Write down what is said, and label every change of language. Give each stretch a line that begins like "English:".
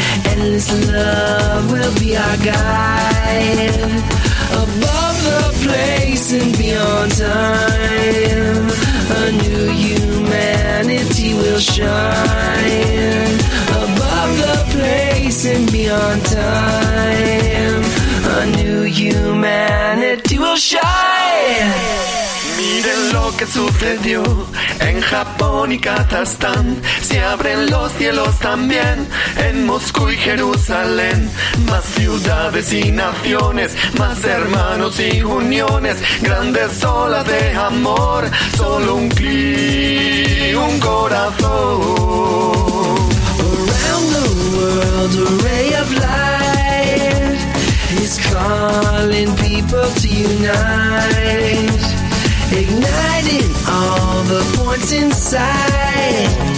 English: Endless love will be our guide, above the place and beyond time. A new humanity will shine, above the place and beyond time. A new humanity will shine.
Spanish: Miren lo que sucedió en Japón y Kazajstán. Se abren los cielos también en Moscú y Jerusalén. Más ciudades y naciones, más hermanos y uniones, grandes olas de amor. Solo un clic, un corazón.
English: Around the world a ray of light is calling people to unite, igniting all the points inside.